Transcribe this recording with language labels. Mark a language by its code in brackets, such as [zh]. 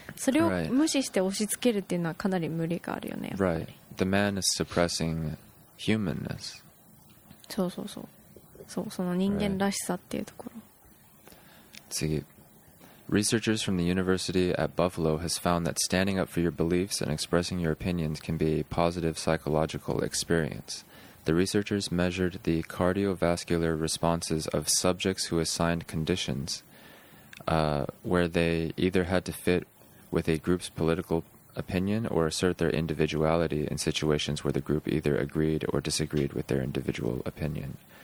[ja] それを無視して押し付けるっていうのはかなり無理があるよね。 [en] Right. The man is suppressing humanness. [ja] そうそうそう。そう、その人間らしさっていうところ。次。 [en] Researchers from the University at Buffalo has found that standing up for your beliefs and expressing your opinions can be a positive psychological experience. The researchers measured the cardiovascular responses of subjects who assigned conditions, where they either had to fit with a group's political opinion or assert their individuality in situations where the group either agreed or disagreed with their individual opinion.